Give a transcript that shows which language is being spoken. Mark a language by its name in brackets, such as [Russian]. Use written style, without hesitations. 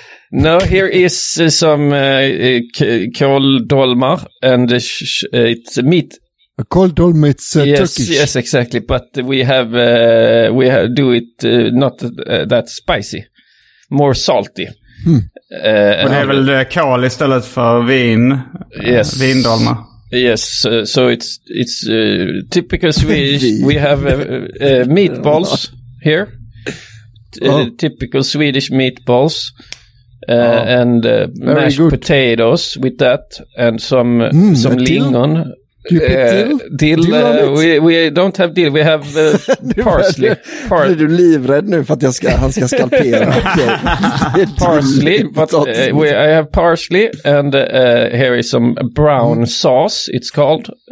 [English] No, here is some koldolmar, and it's meat. A koldolmar, it's Turkish. Yes, exactly, but we have do it not that spicy, more salty. [Swedish] Men det är väl kol istället för vin, vindolmar. [English] Yes, so it's typical Swedish. We have meatballs here, typical Swedish meatballs. And mashed potatoes with that, and some lingon. Dill, we don't have dill, we have parsley. [Swedish] Är du livrädd nu för att han ska skalpera? [English] Parsley, but I have parsley, and here is some brown sauce, it's called.